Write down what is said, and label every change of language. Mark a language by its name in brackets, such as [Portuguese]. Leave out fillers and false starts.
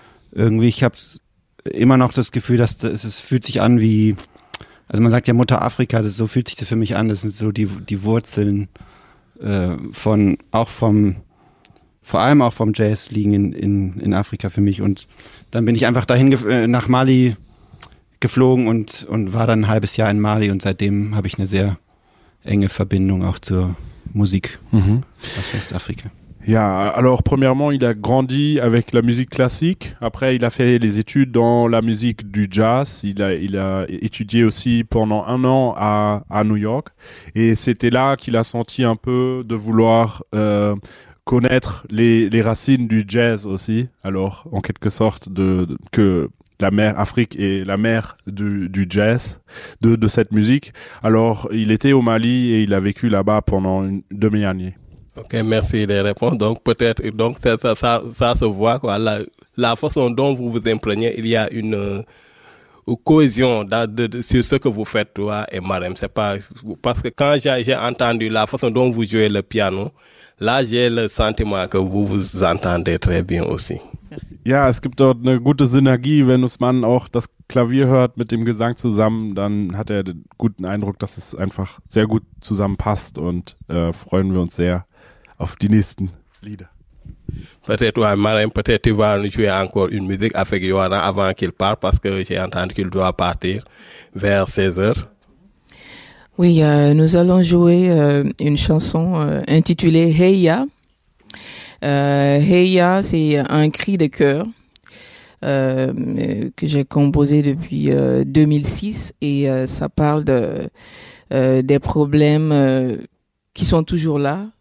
[German] Irgendwie, ich habe immer noch das Gefühl, dass es fühlt sich an wie, also man sagt ja Mutter Afrika, das, so fühlt sich das für mich an. Das sind so die Wurzeln vor allem auch vom Jazz liegen in Afrika für mich. Und dann bin ich einfach dahin nach Mali geflogen und war dann ein halbes Jahr in Mali und seitdem habe ich eine sehr enge Verbindung auch zur Musik aus Westafrika. [French] Ja, alors premièrement, il a grandi avec la musique classique. Après, il a fait les études dans la musique du jazz. Il a étudié aussi pendant un an à New York. Et c'était là qu'il a senti un peu de vouloir connaître les racines du jazz aussi. Alors, en quelque sorte, que la mère Afrique est la mère du jazz, de cette musique. Alors, il était au Mali et il a vécu là-bas pendant une demi-année. Ok, merci des réponses. Donc peut-être, donc ça se voit quoi. La façon dont vous vous imprégnez, il y a une cohésion sur ce que vous faites toi et Marem. C'est pas parce que quand j'ai entendu la façon dont vous jouez le piano, là j'ai le sentiment que vous vous entendez très bien aussi. Merci. [German] Ja, es gibt dort eine gute Synergie, wenn Usman auch das Klavier hört mit dem Gesang zusammen, dann hat er den guten Eindruck, dass es einfach sehr gut zusammenpasst und freuen wir uns sehr auf die nächsten Lieder. [French] Peut-être, ouais, Marem, peut-être tu vas nous jouer encore une musique avec Johanna avant qu'il parte, parce que j'ai entendu qu'il doit partir vers 16h. Oui, nous allons jouer une chanson intitulée Heya. Heya, c'est un cri de cœur que j'ai composé depuis 2006 et ça parle de des problèmes qui sont toujours là.